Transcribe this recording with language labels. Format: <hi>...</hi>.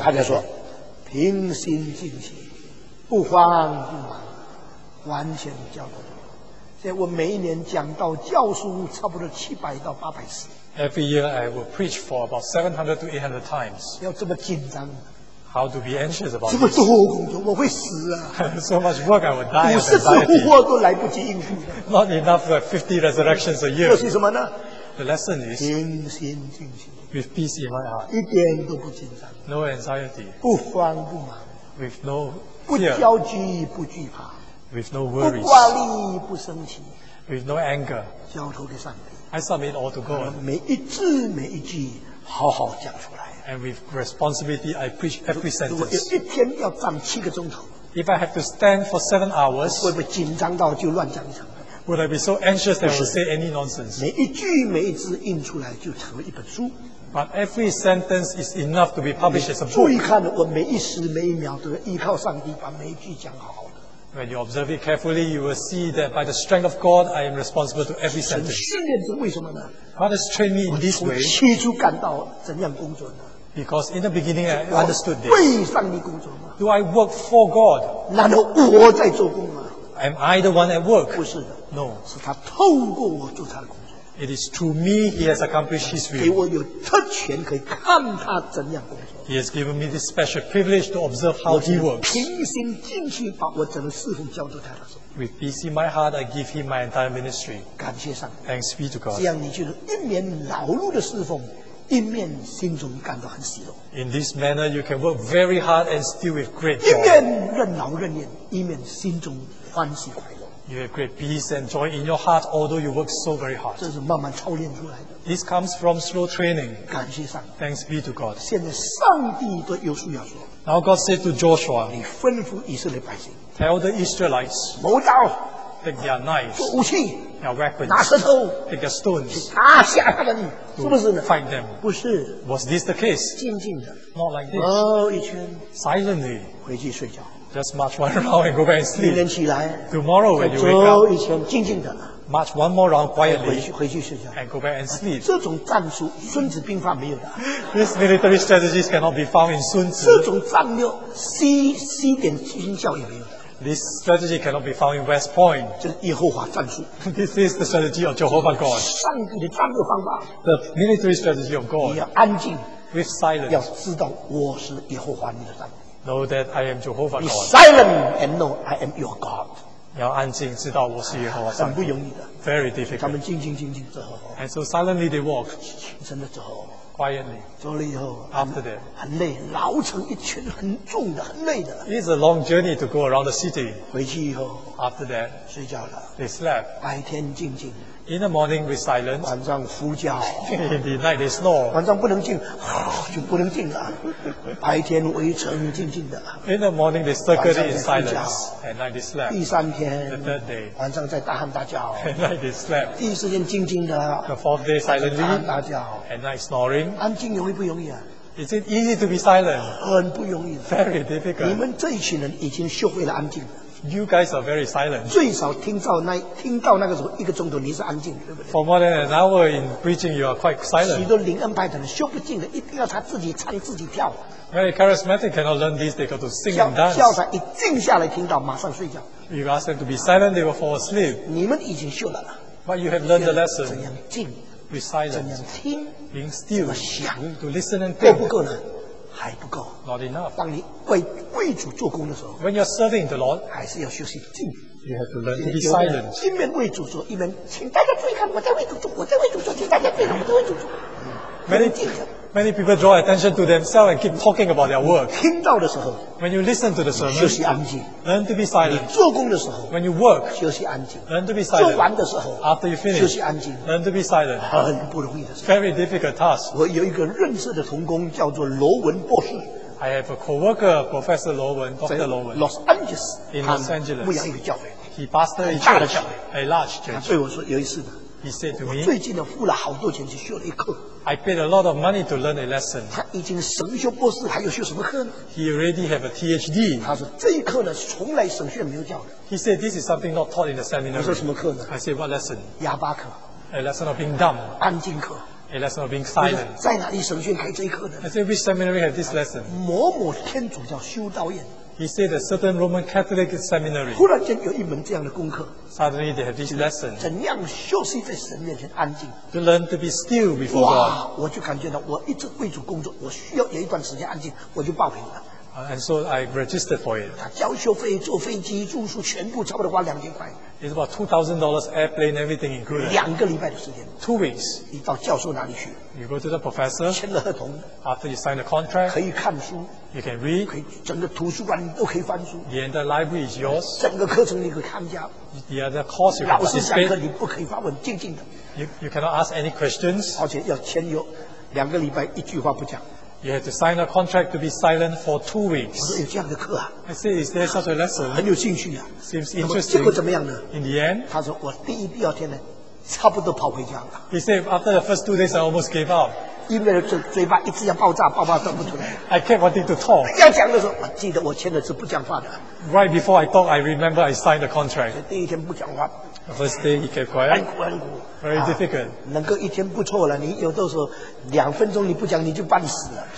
<zh>他就说, 平心静气, 不慌不忙, 完全交托主。所以我每一年讲到教书差不多700到800次。</zh> <en>Every year I will preach for about 700 to 800 times.</en> <zh>要这么紧张</zh> <en>？How to be anxious about this?</en> <zh>这么多工作，我会死啊</zh> <en>！So much work, I will die.</en> <zh>50次复活都来不及应付。</zh> <en>Not enough for 50 resurrections a year.</en> <zh>这是什么呢</zh> <en>？The lesson is</en> <zh>平心静气</zh> <en>，with peace in my heart.</en> <zh>一点都不紧张</zh> <en>，no anxiety.</en> <zh>不慌不忙</zh> <en>，with no</en> <zh>不焦急不惧怕。</zh> <en>With no worries,</en> <zh>不挂虑不生气</zh> <en>with no anger,</en> <zh>交托给上帝</zh> <en>I submit all to God,</en> <zh>每一字每一句好好讲出来</zh> <en>and with responsibility I preach every sentence,</en> <zh>如果一天要站7个钟头</zh> <en>if I have to stand for 7 hours,</en> <zh>会不会紧张到就乱讲一场</zh> <en>would I be so anxious that I would say any nonsense,</en> <zh>每一句每一字印出来就成为一本书</zh> <en>but every sentence is enough to be published as a book,</en> <zh>注意看我每一时每一秒都要依靠上帝把每一句讲好</zh> <en>When you observe it carefully, you will see that by the strength of God, I am responsible to every sentence.</en> <zh>神训练是为什么呢</zh> <en>？God has trained me in this way.</en> <zh>我起初感到怎样工作呢</zh> <en>？Because in the beginning, I understood this.</en> <zh>为上帝工作吗</zh> <en>？Do I work for God?</en> <zh>难道我在做工吗</zh> <en>？Am I the one at work?</en> <zh>不是的</zh> <en>，No.</en> <zh>是他透过我做他的工作。</zh> <en>It is through me he has accomplished his will.</en> <zh>给我有特权可以看他怎样工作。</zh> <en>He has given me this special privilege to observe how he works.</en> <zh>平心静气把我整个侍奉交托他的手。</zh> <en>With peace in my heart, I give him my entire ministry.</en> <zh>感谢上帝。</zh> <en>Thanks be to God.</en> <zh>这样你就一面劳碌的侍奉，一面心中感到很喜乐。</zh> <en>In this manner, you can work very hard and still with great joy.</en> <zh>一面任劳任怨，一面心中欢喜快乐。</zh> <en>You have great peace and joy in your heart, although you work so very hard.</en> <zh>这是慢慢操练出来的。</zh> <en>This comes from slow training.</en> <zh>感谢上帝。</zh> <en>Thanks be to God.</en> <zh>现在上帝对约书亚说。</zh> <en>Now God said to Joshua,</en> <zh>你吩咐以色列百姓。</zh> <en>Tell the Israelites,</en> <zh>谋刀。</zh> <en>Take their knives.</en> <zh>武器。</zh> <en>Their weapons.</en> <zh>拿石头。</zh> <en>Take their stones.</en> <zh>打吓他们，是不是呢</zh> <en>？Fight them.</en> <zh>不是。</zh> <en>Was this the case?</en> <zh>静静的。</zh> <en>Not like this.</en> <zh>绕一圈。</zh> <en>Silently.</en> <zh>回去睡觉。</zh> <en>Just march one round and go back and sleep.</en> <zh>明天起来。</zh> <en>Tomorrow when you wake up.</en> <zh>绕一圈，静静的。</zh> <en>March one more round quietly.</en> <zh>回去睡觉。</zh> <en>And go back and sleep.</en> <zh>这种战术，《孙子兵法》没有的。</zh> <en>This military strategies cannot be found in 孙子。</en> <zh>这种战略 ，C 点军校也没有的。</zh> <en>This strategy cannot be found in West Point.</en> <zh>这是耶和华战术。</zh> <en>This is the strategy of Jehovah God.</en> <zh>上帝的战略方法。</zh> <en>The military strategy of God.</en> <zh>你要安静。</zh> <en>With silence.</en> <zh>要知道我是耶和华你的神。</zh> <en>Know that I am Jehovah God. Be silent and know I am your God.</en> <zh>要安静，知道我是耶和华神。很不容易的。</zh> <en>Very difficult.</en> <zh>他们静走。</zh> <en>And so silently they walk.</en> <zh>真的走。</zh> <en>Quietly.</en> <zh>走了以后。</zh> <en>After that.</en> <zh>很累，劳成一圈，很重的，很累的。</zh> <en>It's a long journey to go around the city.</en> <zh>回去以后。</zh> <en>After that.</en> <zh>睡觉了。</zh> <en>They slept.</en> <zh>白天静静。</zh> <en>In the morning with silence.</en> <zh>晚上呼叫。</zh> <en>In the night they snore.</en> <zh>晚上不能静，就不能静了。白天围城静静的。</zh> <en>In the morning they circled in silence. At night they slept.</en> <zh>第三天。</zh> <en>The third day.</en> <zh>晚上在大喊大叫。</zh> <en>At night they slept.</en> <zh>第四天静静的。</zh> <en>The fourth day silently.</en> <zh>大喊大叫。</zh> <en>At night snoring.</en> <zh>安静容易不容易啊？</zh> <en>Is it easy to be silent?</en> <zh>很不容易。</zh> <en>Very difficult.</en> <zh>你们这一群人已经学会了安静。</zh> <en>You guys are very silent.</en> <zh>最少听到那个时候一个钟头，你是安静，对不对</zh> <en>？For more than an hour in preaching, you are quite silent.</en> <zh>许多灵恩派的人修不进的，一定要他自己唱自己跳。</zh> <en>Very charismatic cannot learn this. They got to sing and dance.</en> <zh>叫他一静下来听到，马上睡觉。</zh> <en>You ask them to be silent, they will fall asleep.</en> <zh>你们已经修了。</zh> <en>But you have learned the lesson.</en> <zh>怎样静</zh> <en>？With silence.</en> <zh>怎样听</zh> <en>？Being still.</en> <zh>怎么想</zh> <en>？To listen and think.</en> <zh>够不够呢？还不够。</zh> <en>Not enough.</en> <zh>当你为主做工的时候</zh> <en>，When you're serving the Lord，</en> <zh>还是要学习静。</zh> <en>You have to learn to be silent.</en> <zh>一面为主做，一面请大家注意看，我在为主做，请大家注意看，我在为主做。</zh> <en>Many people draw attention to themselves and keep talking about their work.</en> <zh>听到的时候</zh> <en>，When you listen to the sermon，</en> <zh>休息安静。</zh> <en>Learn to be silent.</en> <zh>你做工的时候</zh> <en>，When you work，</en> <zh>休息安静。</zh> <en>Learn to be silent.</en> <zh>做完的时候</zh> <en>，After you finish，</en> <zh>休息安静。</zh> <en>Learn to be silent.</en> <zh>很不容易的事。</zh> <en>Very difficult task.</en> <zh>我有一个认识的同工，叫做罗文博士。</zh> <en>I have a co-worker, Professor Lo Wen, Dr. Lo Wen. Los Angeles. In Los Angeles.</en> <zh>牧羊一个教会。</zh> <en>He pastored a church. A large church.</en> <zh>他对我说有一次呢。</zh> <en>He said to me.</en> <zh>我最近呢付了好多钱去学了一课。</zh> <en>I paid a lot of money to learn a lesson.</en> <zh>他已经神学博士还有学什么课呢</zh> <en>?He already have a PhD.</en> <zh>他说这一课呢从来神学没有教的。</zh> <en>He said this is something not taught in the seminar.</en> <zh>我说什么课呢</zh> <en>?I said what lesson?</en> <zh>哑巴课。</zh> <en>A lesson of being dumb.</en> <zh>安静课。</zh> <en>A lesson of being silent.</en> <zh>在哪里神学开这一课呢</zh> <en>？I said which seminary have this lesson?</en> <zh>某某天主教修道院。</zh> <en>He said a certain Roman Catholic seminary.</en> <zh>忽然间有一门这样的功课。</zh> <en>Suddenly they have this lesson.</en> <zh>怎样休息在神面前安静</zh> <en>？To learn to be still before God.</en> <zh>哇，我就感觉到我一直为主工作，我需要有一段时间安静，我就报名了。</zh> <en>And so I registered for it.</en> <zh>他交学费、坐飞机、住宿全部差不多花2000块。</zh> <en>It's about $2,000 airplane, everything included.</en> <zh>2个礼拜的时间。</zh> <en>2 weeks.</en> <zh>你到教授那里去。</zh> <en>You go to the professor.</en> <zh>签了合同。</zh> <en>After you sign the contract.</en> <zh>可以看书。</zh> <en>You can read.</en> <zh>可以整个图书馆你都可以翻书。</zh> <en>The entire library is yours.</en> <zh>整个课程你可以参加。</zh> <en>The other course you can participate.</en> <zh>老师讲课你不可以发问，静静的。</zh> <en>You cannot ask any questions.</en> <zh>而且要签约，2个礼拜一句话不讲。</zh> <en>You have to sign a contract to be silent for 2 weeks.</en> <zh>我说有这样的课啊。</zh> <en>I said, is there such a lesson?</en> <zh>很有兴趣啊。</zh> <en>Seems interesting.</en> <zh>结果怎么样呢</zh> <en>？In the end,</en> <zh>他说我第一、第二天呢，差不多跑回家了。</zh> <en>He said, after the first 2 days, I almost gave up.</en> <zh>因为嘴巴一直要爆炸说不出来。</zh> <en>I kept wanting to talk.</en> <zh>要讲的时候，我记得我签的是不讲话的。</zh> <en>Right before I talk, I remember I signed the contract.</en> <zh>第一天不讲话。</zh> <en>The first day, he kept quiet.</en> <zh>很苦。</zh> <en>Very difficult.</en> <zh>能够一天不错了。你有的时候2分钟你不讲，你就半死了。</zh>